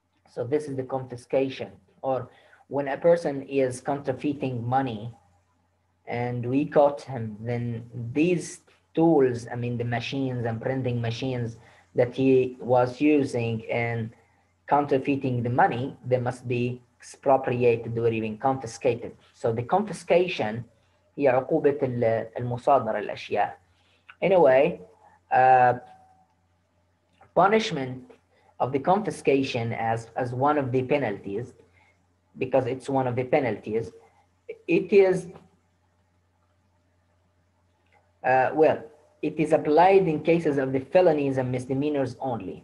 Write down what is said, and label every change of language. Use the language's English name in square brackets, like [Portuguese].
[English] So this is the confiscation, or when a person is counterfeiting money and we caught him, then these tools, I mean the machines and printing machines that he was using in counterfeiting the money, they must be expropriated or even confiscated. So the confiscation [Arabic] هي عقوبة المصادرة الأشياء. [English] In a way, punishment of the confiscation as one of the penalties, because it's one of the penalties, it is, well, it is applied in cases of the felonies and misdemeanors only.